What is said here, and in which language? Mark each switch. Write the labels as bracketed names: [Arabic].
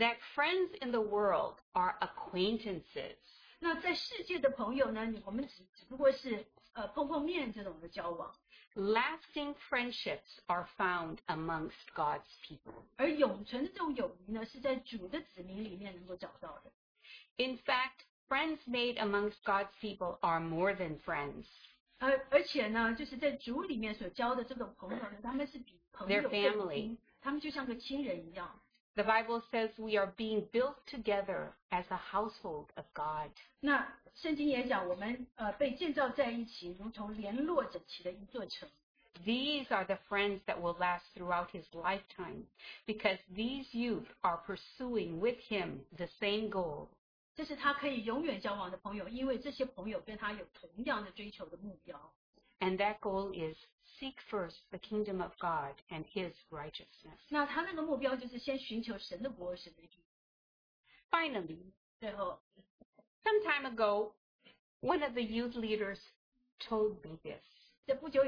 [English] That friends in the world are acquaintances. [Chinese] 那在世界的朋友呢,我们只不过是 碰碰面这种的交往. [English] Lasting friendships are found amongst God's people. [Chinese] 而永存的这种友谊呢, 是在主的子民里面能够找到的. [English] In fact, friends made amongst God's people are more than friends. [Chinese] 而且呢, 就是在主里面所交的这种朋友呢, 他们是比朋友更亲, [English] their family. [Chinese] 他们就像个亲人一样. [English] The Bible says we are being built together as a household of God. [Chinese] 那圣经也讲我们被建造在一起如同联络着起的一座城. [English] These are the friends that will last throughout his lifetime because these youth are pursuing with him the same goal. [Chinese] 这是他可以永远交往的朋友, 因为这些朋友跟他有同样的追求的目标. [English] And that goal is seek first the kingdom of God and his righteousness. Finally, some time ago, one of the youth leaders told me this.